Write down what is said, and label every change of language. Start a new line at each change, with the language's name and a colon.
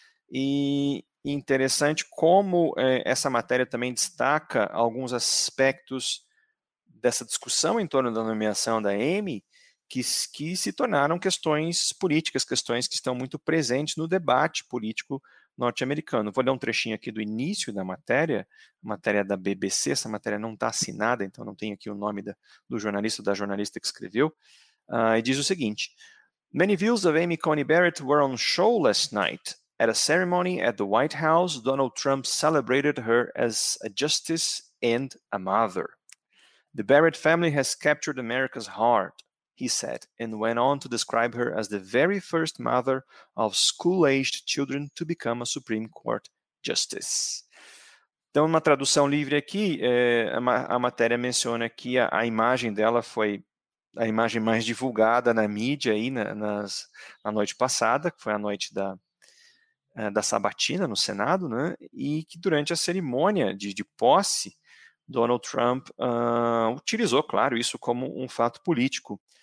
Portuguese: E interessante como essa matéria também destaca alguns aspectos dessa discussão em torno da nomeação da Amy, que se tornaram questões políticas, questões que estão muito presentes no debate político norte-americano. Vou ler um trechinho aqui do início da matéria, matéria da BBC, essa matéria não está assinada, então não tem aqui o nome do jornalista ou da jornalista que escreveu, e diz o seguinte,
English: Many views of Amy Coney Barrett were on show last night. At a ceremony at the White House, Donald Trump celebrated her as a justice and a mother. The Barrett family has captured America's heart, he said, and went on to describe her as the very first mother of school-aged children to become a Supreme Court justice.
Portuguese: Então, uma tradução livre aqui, a matéria menciona que a imagem dela foi a imagem mais divulgada na mídia aí na noite passada, que foi a noite da sabatina no Senado, né? E que durante a cerimônia de posse, Donald Trump utilizou, claro, isso como um fato político.